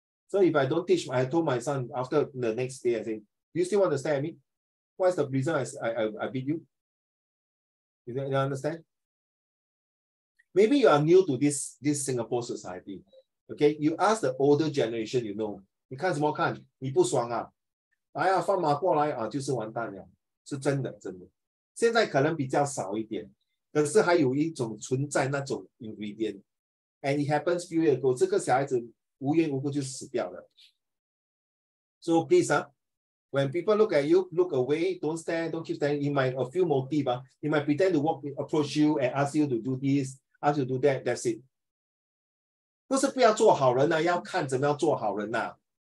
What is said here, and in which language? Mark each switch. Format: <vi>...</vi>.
<en>So if I don't teach, I told my son after the next day, I say, do you still want to stare at me? What's the reason I beat you? You understand? Maybe you are new to this Singapore society. Okay, you ask the older generation, you know.</en> <zh>你看什么看?你不爽啊? 来啊,放马过来啊,就是完蛋了。是真的,真的。现在可能比较少一点,可是还有一种存在那种 ingredient.</zh> <en>And it happens few years ago,</en> <zh>这个小孩子无缘无故就死掉了。</zh> <en>So please, when people look at you, look away, don't stand, don't keep standing. It might a few motive, it might pretend to walk, approach you and ask you to do this, ask you to do that, that's it.</en> <zh>不是不要做好人啊,要看怎么样做好人啊。</zh>